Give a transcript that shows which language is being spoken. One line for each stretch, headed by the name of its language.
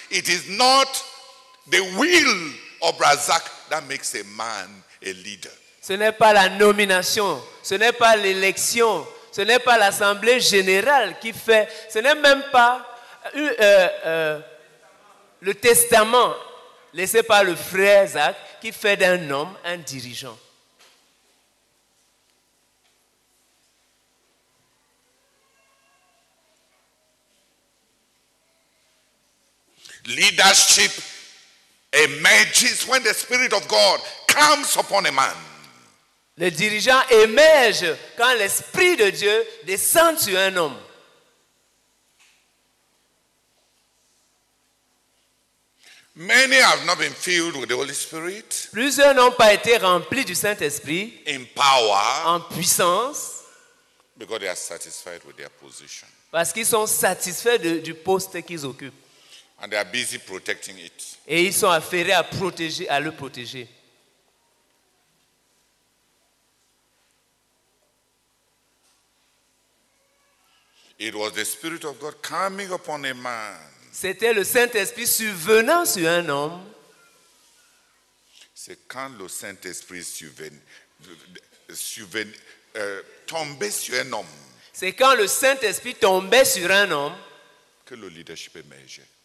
English: It is not the will of Razak that makes a man a leader.
French: Ce n'est pas la nomination, ce n'est pas l'élection, ce n'est pas l'assemblée générale qui fait, ce n'est même pas le testament laissé par le frère Zach qui fait d'un homme un dirigeant.
English: Leadership emerges when the Spirit of God comes upon a man.
French: Le dirigeant émerge quand l'Esprit de Dieu descend sur un homme.
English: Many have not been filled with the Holy Spirit.
French: Plusieurs n'ont pas été remplis du Saint-Esprit.
English: In power.
French: En puissance.
English: Because they are satisfied with their position.
French: Parce qu'ils sont satisfaits du poste qu'ils occupent.
English: And they are busy protecting it.
French: Et ils sont affairés à le protéger.
English: It was the Spirit of God coming upon a man.
French: C'était le Saint-Esprit survenant sur un homme. C'est quand le Saint-Esprit tombait sur un homme. C'est quand le Saint-Esprit tombait sur un homme que le leadership émergeait.